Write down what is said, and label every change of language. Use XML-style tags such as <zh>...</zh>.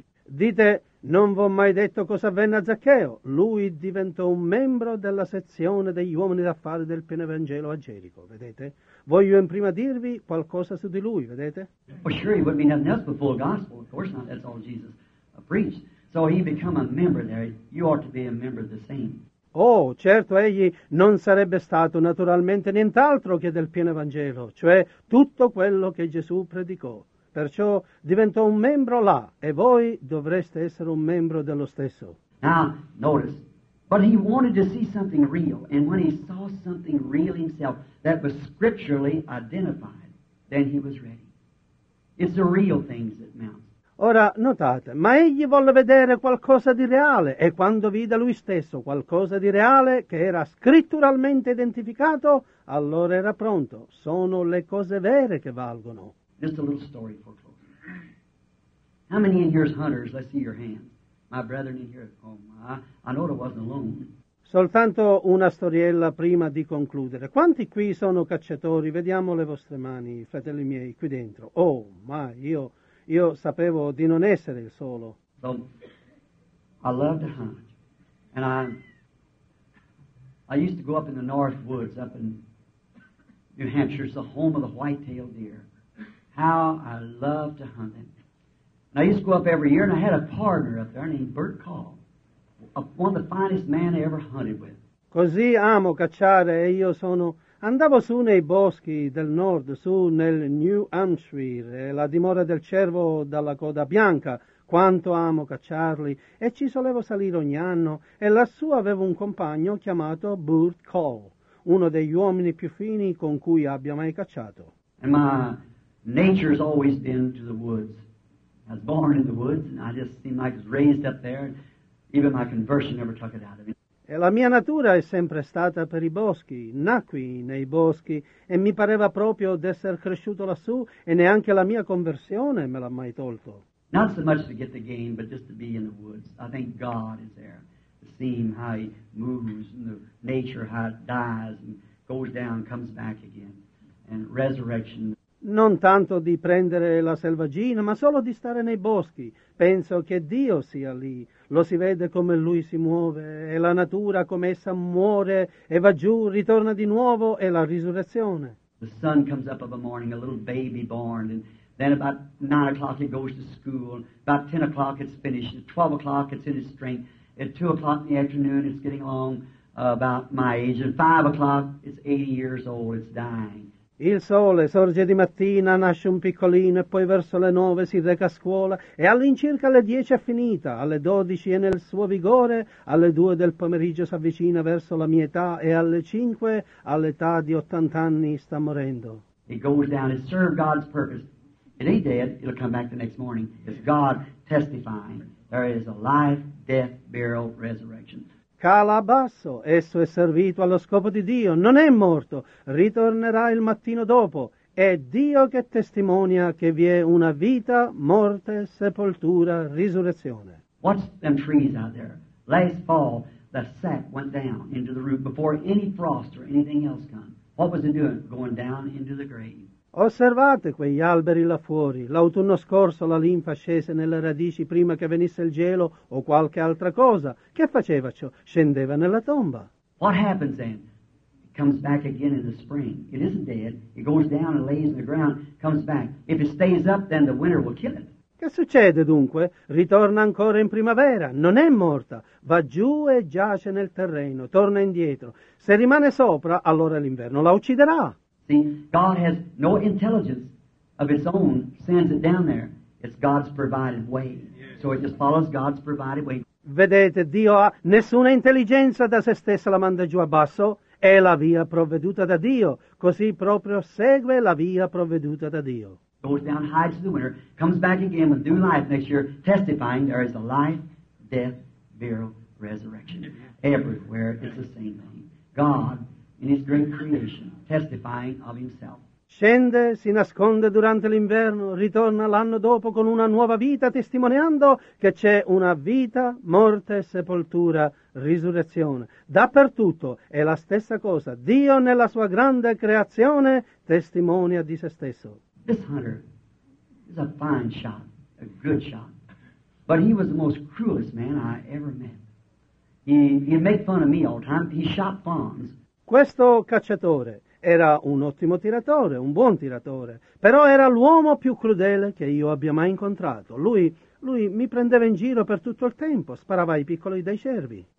<it>Dite, non vi ho mai detto cosa avvenne a Zaccheo. Lui diventò un membro della sezione degli uomini d'affari del pieno Vangelo a Gerico, vedete? Voglio in prima dirvi qualcosa su di lui, vedete?</it> <en>Well, sure, he wouldn't be nothing else but full gospel. Of course not, that's all Jesus preached. So he became a member there. You ought to be a member of the same.</en> <it>Oh, certo, egli non sarebbe stato naturalmente nient'altro che del pieno Vangelo, cioè tutto quello che Gesù predicò. Perciò diventò un membro là, e voi dovreste essere un membro dello stesso.</it> <en>Now, notice, but he wanted to see something real, and when he saw something real himself that was scripturally identified, then he was ready. It's the real things that mount.</en> <it>Ora, notate, ma egli volle vedere qualcosa di reale, e quando vide lui stesso qualcosa di reale che era scritturalmente identificato, allora era pronto. Sono le cose vere che valgono.</it> <en>Just a little story for closing. How many in here is hunters? Let's see your hands. My brethren in here at home. I know it wasn't alone.</en> <it>Soltanto una storiella prima di concludere. Quanti qui sono cacciatori? Vediamo le vostre mani, fratelli miei, qui dentro. Oh, ma io sapevo di non essere il solo.</it> <en>So, I love to hunt. And I used to go up in the north woods up in New Hampshire. It's the home of the white-tailed deer. How I love to hunt them. And I used to go up every year, and I had a partner up there named Bert Call, one of the finest men I ever hunted with.</en> <it>Così amo cacciare, e io sono... Andavo su nei boschi del nord, su nel New Hampshire, la dimora del cervo dalla coda bianca. Quanto amo cacciarli, e ci solevo salire ogni anno, e lassù avevo un compagno chiamato Bert Call, uno degli uomini più fini con cui abbia mai cacciato. Ma...</it> <en>Nature's always been to the woods. I was born in the woods, and I just seemed like I was raised up there. Even my conversion never took it out of me.</en> <it>E la mia natura è sempre stata per i boschi. Nacqui nei boschi, e mi pareva proprio d'essere cresciuto lassù, e neanche la mia conversione me l'ha mai tolto.</it> <en>Not so much to get the game, but just to be in the woods. I think God is there, to see him, how he moves, and the nature, how it dies, and goes down, comes back again, and resurrection...</en> <it>Non tanto di prendere la selvaggina, ma solo di stare nei boschi. Penso che Dio sia lì. Lo si vede come lui si muove, e la natura come essa muore, e va giù, ritorna di nuovo, e la risurrezione.</it> <en>The sun comes up of a morning, a little baby born, and then about 9 o'clock it goes to school, about 10 o'clock it's finished, at 12 o'clock it's in its strength, at 2 o'clock in the afternoon it's getting along about my age, at 5 o'clock it's 80 years old, it's dying.</en> <it>Il sole sorge di mattina, nasce un piccolino e poi verso le 9 si reca a scuola e all'incirca alle 10 è finita, alle 12 è nel suo vigore, alle 2 del pomeriggio si avvicina verso la mia età e alle 5, all'età di 80 anni, sta morendo.</it> <en>It goes down to serve God's purpose. It ain't dead, it'll come back the next morning. It's God testifying. There is a life, death, burial, resurrection.</en> <it>Cala basso, esso è servito allo scopo di Dio, non è morto, ritornerà il mattino dopo. È Dio che testimonia che vi è una vita, morte, sepoltura, risurrezione.</it> <en>Watch them trees out there. Last fall, the sap went down into the root before any frost or anything else come. What was it doing? Going down into the grave.</en> <it>Osservate quegli alberi là fuori. L'autunno scorso la linfa scese nelle radici prima che venisse il gelo o qualche altra cosa. Che faceva ciò? Scendeva nella tomba.</it> <en>What happens then? It comes back again in the spring. It isn't dead. It goes down and lays in the ground, comes back. If it stays up, then the winter will kill it.</en> <it>Che succede dunque? Ritorna ancora in primavera. Non è morta. Va giù e giace nel terreno. Torna indietro. Se rimane sopra, allora l'inverno la ucciderà.</it> <en>See, God has no intelligence of its own, sends it down there. It's God's provided way. So it just follows God's provided way.</en> <it>Vedete, Dio ha nessuna intelligenza da se stessa, la manda giù a basso. È la via provveduta da Dio. Così proprio segue la via provveduta da Dio.</it> <en>Goes down, hides in the winter, comes back again with new life next year, testifying there is a life, death, burial, resurrection. Everywhere it's the same thing. God in his great creation, testifying of himself.</en> <it>Scende, si nasconde durante l'inverno, ritorna l'anno dopo con una nuova vita, testimoniando che c'è una vita, morte, sepoltura, risurrezione. Dappertutto è la stessa cosa. Dio nella sua grande creazione testimonia di se stesso.</it> <en>This hunter is a fine shot, a good shot. But he was the most cruelest man I ever met. He made fun of me all the time. He shot fawns.</en> <it>Questo cacciatore era un ottimo tiratore, un buon tiratore, però era l'uomo più crudele che io abbia mai incontrato. Lui mi prendeva in giro per tutto il tempo, sparava ai piccoli dei cervi.</it>